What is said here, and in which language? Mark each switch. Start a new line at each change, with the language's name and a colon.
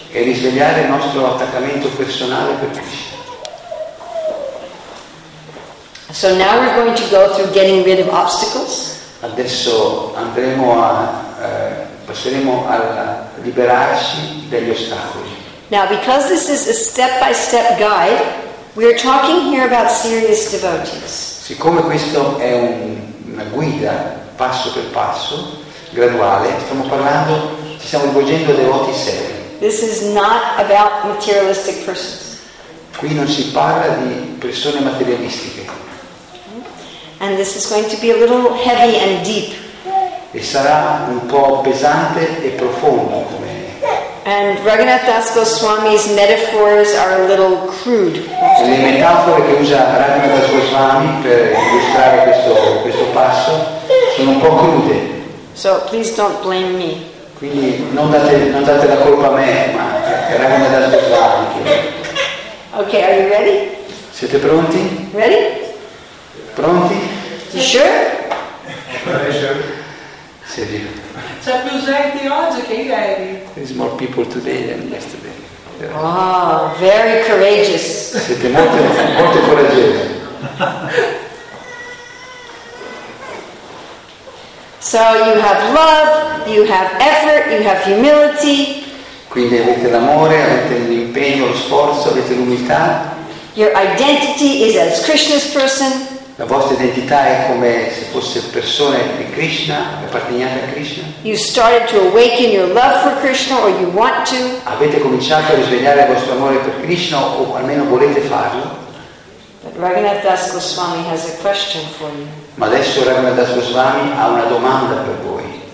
Italian: E risvegliare il nostro attaccamento personale per Krishna.
English: So now we're going to go through getting rid of obstacles.
Italian: Adesso andremo a passeremo a liberarci degli ostacoli.
English: Now, because this is a step-by-step guide, we are talking here about serious devotees.
Italian: Siccome questo è una guida passo per passo, graduale, ci stiamo rivolgendo a devoti seri.
English: This is not about materialistic persons.
Italian: Qui non si parla di persone materialistiche.
English: And this is going to be a little heavy and deep.
Italian: E sarà un po' pesante e profondo come.
English: And Raghunath Das Goswami's metaphors are a little crude.
Italian: Le metafore che usa Raghunath Das Goswami per illustrare questo passo sono un po' crude.
English: So please don't blame me.
Italian: Quindi non date la colpa a me, ma a Raghunath Das Goswami.
English: Okay, are you ready?
Italian: Siete pronti?
English: Ready?
Italian: Pronti?
English: You sure?
Italian: Sì, sì. C'è più gente oggi che ieri.
English: There's more people today than yesterday. Oh, very courageous.
Italian: Siete molto, molto coraggiosi.
English: So you have love, you have effort, you have humility.
Italian: Quindi avete l'amore, avete l'impegno, lo sforzo, avete l'umiltà.
English: Your identity is as Krishna's person.
Italian: La vostra identità è come se fosse persona di Krishna, apparteniente a Krishna.
English: You started to awaken your love for Krishna, or you want to.
Italian: Avete cominciato a risvegliare il vostro amore per Krishna, o almeno volete farlo.
English: But Raghunath Das Goswami has a question for you.
Italian: Ma adesso Raghunath Das Goswami ha una domanda per voi.